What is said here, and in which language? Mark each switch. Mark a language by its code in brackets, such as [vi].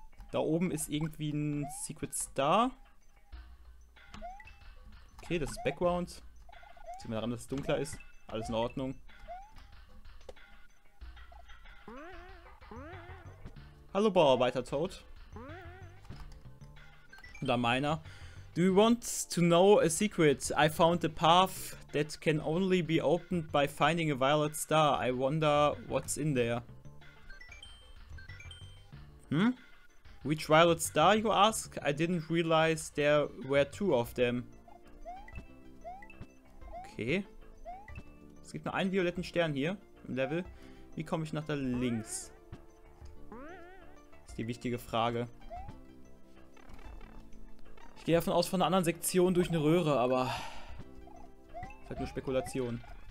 [de] Da oben ist irgendwie ein Secret Star. Okay, das ist Background. Sieht man daran, dass es dunkler ist. Alles in Ordnung. Hallo Bauarbeiter Toad. Oder Miner. [en] Do you want to know a secret? I found a path that can only be opened by finding a violet star. I wonder what's in there. Hm? Which violet star, you ask? I didn't realize there were two of them. Okay. [de] Es gibt nur einen violetten Stern hier im Level. Wie komme ich nach da links? Ist die wichtige Frage. Ich gehe davon aus, von einer anderen Sektion durch eine Röhre, aber... Das ist halt nur Spekulation.